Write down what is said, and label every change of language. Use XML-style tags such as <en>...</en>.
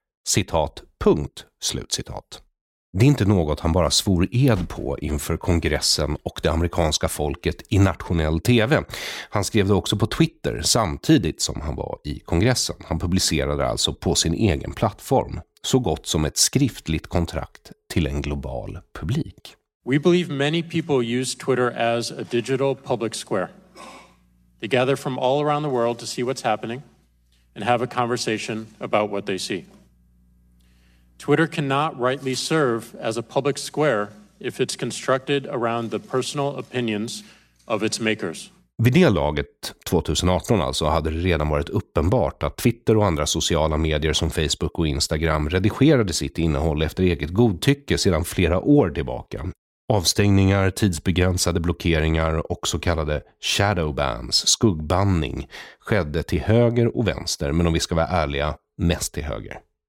<sv>Citat, punkt, slut citat. Det är inte något han bara svor ed på inför kongressen och det amerikanska folket i nationell TV. Han skrev det också på Twitter samtidigt som han var i kongressen. Han publicerade alltså på sin egen plattform, så gott som ett skriftligt kontrakt till en global publik.</sv> <en>We believe many people use Twitter as a digital public square. They gather from all around the world to see what's happening and have a conversation about what they see. Twitter cannot rightly serve as a public square if it's constructed around the personal opinions of its makers.</en> <sv>Vid det laget, 2018 alltså, hade det redan varit uppenbart att Twitter och andra sociala medier som Facebook och Instagram redigerade sitt innehåll efter eget godtycke sedan flera år tillbaka. Avstängningar, tidsbegränsade blockeringar och så kallade shadow bans, skuggbanning, skedde till höger och vänster, men om vi ska vara ärliga, mest till höger.</sv>